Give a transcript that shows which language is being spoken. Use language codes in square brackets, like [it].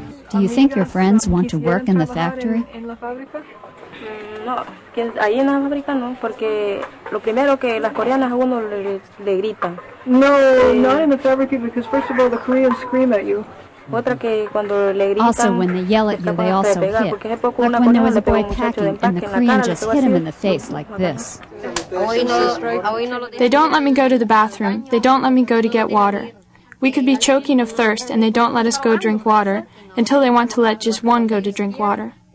[en] Do you think your friends want to work in the factory? [es] No, que ahí en la fábrica no, porque lo primero que las coreanas a uno le gritan. [en] No, not in the fabricate, because first of all, the Koreans scream at you. [es] Otra que cuando le gritan. [en] Also, when they yell at you, they also hit. Like when there was a boy packing, and the Korean just hit him in the face like this. They don't let me go to the bathroom. They don't let me go to get water. We could be choking of thirst, and they don't let us go drink water until they want to let just one go to drink water.